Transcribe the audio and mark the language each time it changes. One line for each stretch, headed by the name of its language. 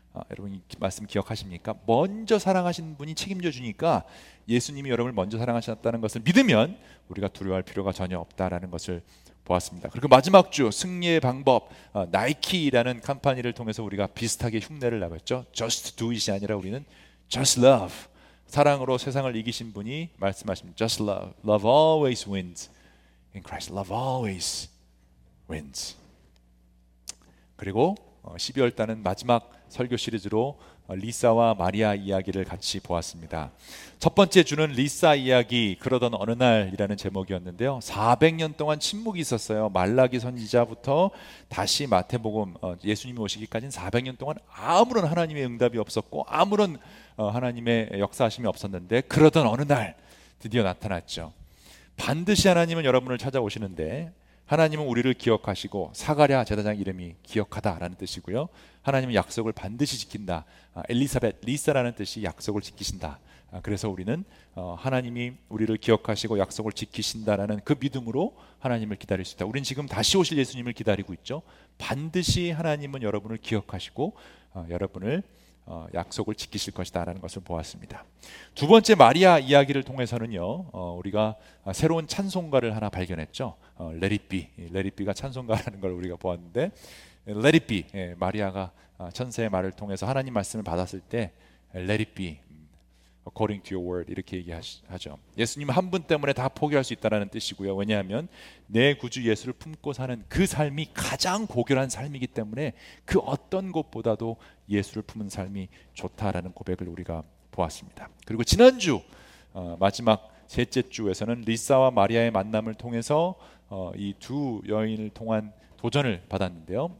Korean: 여러분 이 말씀 기억하십니까? 먼저 사랑하신 분이 책임져주니까 예수님이 여러분을 먼저 사랑하셨다는 것을 믿으면 우리가 두려워할 필요가 전혀 없다라는 것을 보았습니다. 그리고 마지막 주 승리의 방법, 나이키라는 컴퍼니를 통해서 우리가 비슷하게 흉내를 나갔죠.
English: Just do it이
Korean: 아니라 우리는
English: Just love.
Korean: 사랑으로 세상을 이기신 분이 말씀하십니다.
English: Just love. Love always wins in Christ. Love always wins.
Korean: 그리고 12월 달은 마지막 설교 시리즈로 리사와 마리아 이야기를 같이 보았습니다. 첫 번째 주는 리사 이야기, 그러던 어느 날이라는 제목이었는데요. 400년 동안 침묵이 있었어요. 말라기 선지자부터 다시 마태복음, 예수님이 오시기까지는 400년 동안 아무런 하나님의 응답이 없었고 아무런 하나님의 역사하심이 없었는데 그러던 어느 날 드디어 나타났죠. 반드시 하나님은 여러분을 찾아오시는데 하나님은 우리를 기억하시고 사가랴 제사장 이름이 기억하다라는 뜻이고요. 하나님은 약속을 반드시 지킨다. 엘리사벳 리사라는 뜻이 약속을 지키신다. 그래서 우리는 하나님이 우리를 기억하시고 약속을 지키신다라는 그 믿음으로 하나님을 기다릴 수 있다. 우리는 지금 다시 오실 예수님을 기다리고 있죠. 반드시 하나님은 여러분을 기억하시고 여러분을 약속을 지키실 것이다 라는 것을 보았습니다. 두 번째 마리아 이야기를 통해서는요, 우리가 새로운 찬송가를 하나 발견했죠.
English: Let it be. Let it be가
Korean: 찬송가라는 걸 우리가 보았는데,
English: Let it be.
Korean: 예, 마리아가 천사의 말을 통해서 하나님 말씀을 받았을 때
English: Let it be. According to your word
Korean: 이렇게 얘기하죠. 예수님 한 분 때문에 다 포기할 수 있다는 뜻이고요. 왜냐하면 내 구주 예수를 품고 사는 그 삶이 가장 고결한 삶이기 때문에 그 어떤 것보다도 예수를 품은 삶이 좋다라는 고백을 우리가 보았습니다. 그리고 지난주 마지막 셋째 주에서는 리사와 마리아의 만남을 통해서 이 두 여인을 통한 도전을 받았는데요.